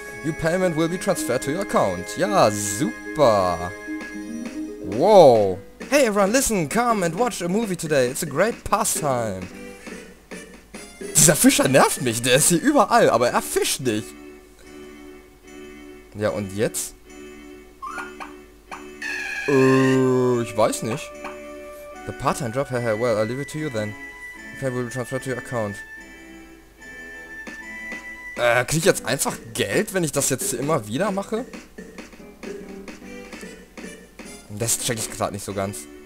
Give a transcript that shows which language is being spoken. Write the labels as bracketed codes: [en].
[en] Your payment will be transferred to your account. [de] Ja, super. [en] Wow. Hey everyone, listen, come and watch a movie today. It's a great pastime. [de] Dieser Fischer nervt mich. Der ist hier überall, aber er fischt nicht. Ja, und jetzt? Ich weiß nicht. [en] The part-time job, well, I'll leave it to you then. Your payment will be transferred to your account. [de] Krieg ich jetzt einfach Geld, wenn ich das jetzt immer wieder mache? Das check ich gerade nicht so ganz.